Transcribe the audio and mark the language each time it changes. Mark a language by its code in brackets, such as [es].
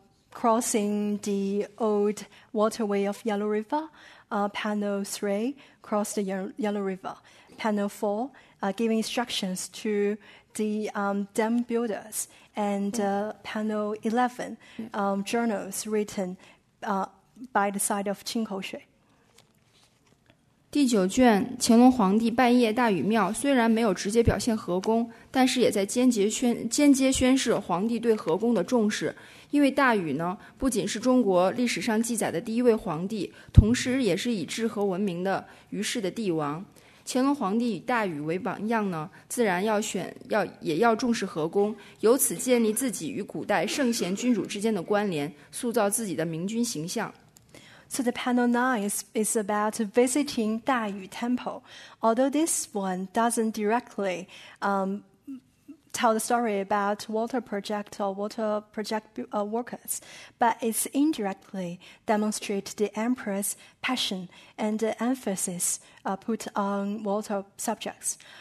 [en] crossing the old waterway of Yellow River, panel three, cross the Yellow River, panel four, giving instructions to the dam builders,And panel 11, journals written by the side of 清口水。 [zh] 第九卷，乾隆皇帝拜谒大禹庙，虽然没有直接表现河工，但是也在间接宣示皇帝对河工的重视。因为大禹呢，不仅是中国历史上记载的第一位皇帝，同时也是以治河闻名的于氏的帝王。乾隆皇帝以大禹为榜样呢，自然要选要也要重视河工，由此建立自己与古代圣贤君主之间的关联，塑造自己的明君形象。 [en] So the panel 9 is about visiting 大禹 temple. Although this one doesn't directly tell the story about water project or water project workers, but it's indirectly demonstrate the emperor's passion and the emphasis put on water subjects.